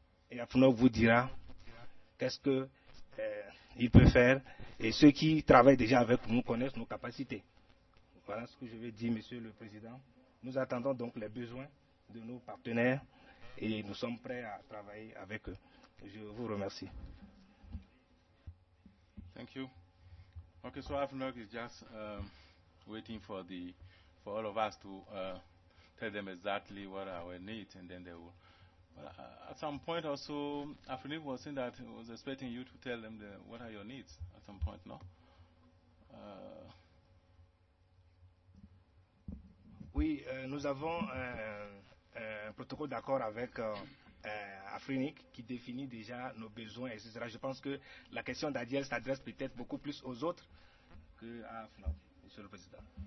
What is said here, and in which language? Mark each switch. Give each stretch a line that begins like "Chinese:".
French: Et AFNOG vous dira qu'est-ce qu'il peut faire. Et ceux qui travaillent déjà avec nous connaissent nos capacités. Voilà ce que je vais dire, Monsieur le Président. Nous attendons donc les besoins de nos partenaires et nous sommes prêts à travailler avec eux. Je vous remercie.
English: Thank you. Okay, so AFNOG is just waiting for all of us to tell them exactly what our needs, and then they will. But at some point also, AFNOG was saying that it was expecting you to tell them what are your needs at some point, no?
French: Oui, nous avons un protocole d'accord avec AFRINIC qui définit déjà nos besoins, etc. Je pense que la question d'Adiel s'adresse peut-être beaucoup plus aux autres que à AFNOG, Monsieur le Président.